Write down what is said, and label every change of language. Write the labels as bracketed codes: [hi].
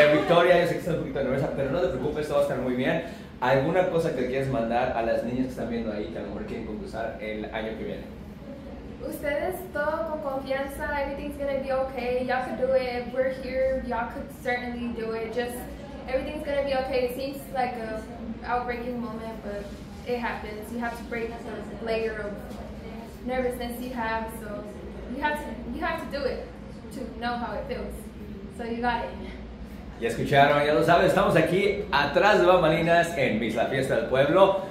[es] Victoria, yo sé que estás un poquito nerviosa, pero no te preocupes, todo va a estar muy bien. ¿Alguna cosa que quieras mandar a las niñas que están viendo ahí, que a lo mejor quieren concursar el año que viene? Ustedes, todo con confianza, [en] everything's gonna be okay, y'all could do it, we're here, y'all could certainly do it, just, everything's gonna be okay, it seems like an outbreaking moment, but it happens, you have to break the layer of nervousness you have, so you have to do it to know how it feels, so you got it. [es] Ya escucharon, ya lo saben, estamos aquí atrás de bambalinas en Miss La Fiesta del Pueblo.